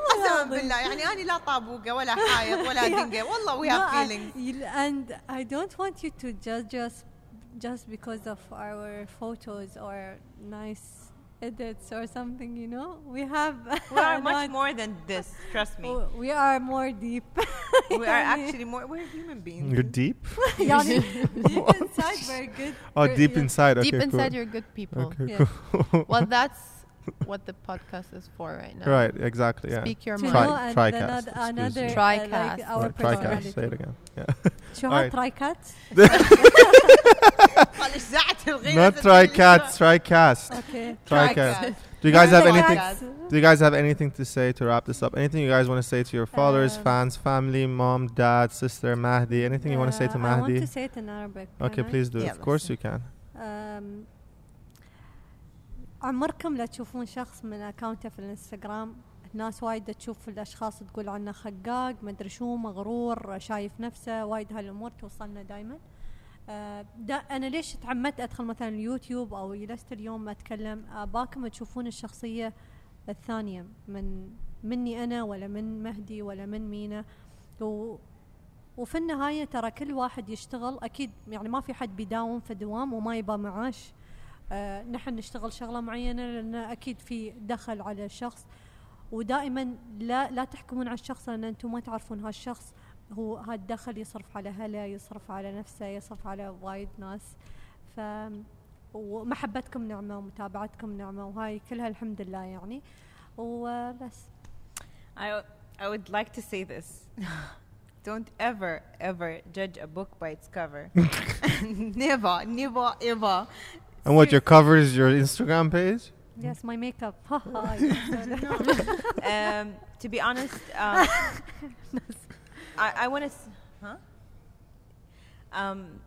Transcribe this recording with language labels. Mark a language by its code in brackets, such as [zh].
[ar] قسما بالله يعني أنا لا طابوقة ولا حائط ولا دينجة والله [en] we have feelings. And I don't want you to judge us just because of our photos or nice edits or something. You know, we have. We are much more than this. Trust me. We are more deep. We are actually more. We're human beings. You're deep. Yani, deep inside, we're good. Oh, we're, deep yeah. Inside. Okay, deep inside, cool. You're good people. Okay, yeah. Cool. Well, that's. What the podcast is for right now. Right, exactly. Yeah. Speak your mind. TRIICAST. TRIICAST. Say it again. TRIICAST. TRIICAST. Not TRIICAST, TRIICAST. Okay. TRIICAST. Do you guys have anything? Do you guys have anything to say to wrap this up? Anything you guys want to say to your followers, fans, family, mom, dad, sister, Mahdi? Anything you want to say to Mahdi? I want to say it in Arabic. Okay, please do. Of course you can. [ar] عمركم لا تشوفون شخص من اكاونته في الانستغرام الناس وايد تشوف الاشخاص تقول عنه خقاق ما ادري شو مغرور شايف نفسه وايد هالامور توصلنا دائما انا ليش تعمدت ادخل مثلا اليوتيوب او جلست اليوم اتكلم اباكم تشوفون الشخصيه الثانيه من مني انا ولا من مهدي ولا من مينا وفي النهايه ترى كل واحد يشتغل اكيد يعني ما في حد بيداوم في دوام وما يبى معاش نحن نشتغل شغلة معينة لأن أكيد في دخل على الشخص ودائما لا تحكمون على الشخص لأن أنتم ما تعرفون هالشخص هو هالدخل يصرف على هله يصرف على نفسه يصرف على وايد ناس ومحبتكم نعمة ومتابعتكم نعمة وهاي كلها الحمد لله يعني وبس [en] I would like to say this Don't ever, ever judge a book by its cover Never, ever And what, your cover is your Instagram page? Yes, my makeup. to be honest, I want to...